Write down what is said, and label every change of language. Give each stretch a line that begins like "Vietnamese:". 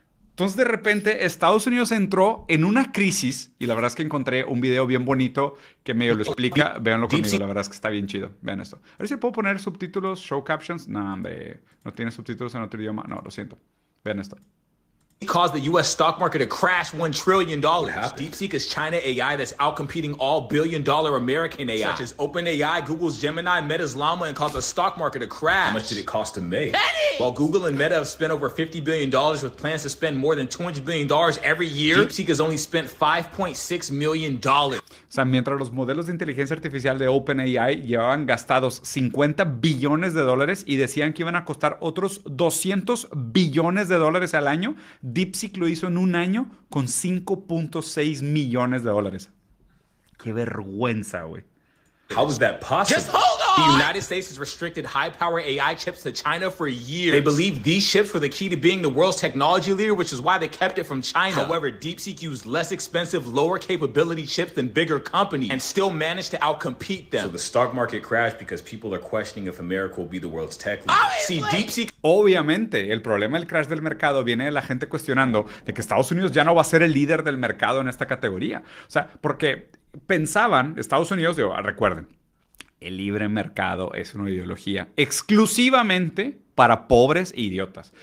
Spanish: Entonces, de repente, Estados Unidos entró en una crisis y la verdad es que encontré un video bien bonito que medio lo explica. Véanlo conmigo, la verdad es que está bien chido. Vean esto. A ver si puedo poner subtítulos,
English: show captions.
Spanish: No, hombre, no tiene subtítulos en otro idioma. No, lo siento. Vean esto.
English: It caused the U.S. stock market to crash $1 trillion. DeepSeek is China AI that's outcompeting all billion-dollar American AI, such as OpenAI, Google's Gemini, Meta's Llama, and caused the stock market to crash. How much did it cost to make? Penny! While Google and Meta have spent over $50 billion with plans to spend more than $200 billion every year, DeepSeek has only spent $5.6 million. O sea, mientras los modelos de inteligencia artificial de OpenAI llevaban gastados $50 billones y decían que iban a costar otros $200 billones al año, DeepSeek lo hizo en un año con $5.6 millones. ¡Qué vergüenza, güey! How is that possible? Just hold on! The United States has restricted high-power AI chips to China for years. They believe these chips were the key to being the world's technology leader, which is why they kept it from China. However, DeepSeek used less expensive, lower-capability chips than bigger companies and still managed to outcompete them. So the stock market crashed because people are questioning if America will be the world's tech leader. Obviously. See, DeepSeek...
Spanish: Obviamente, el problema del crash del mercado viene de la gente cuestionando de que Estados Unidos ya no va a ser el líder del mercado en esta categoría. O sea, porque... pensaban, Estados Unidos, digo, recuerden, el libre mercado es una ideología exclusivamente para pobres e idiotas.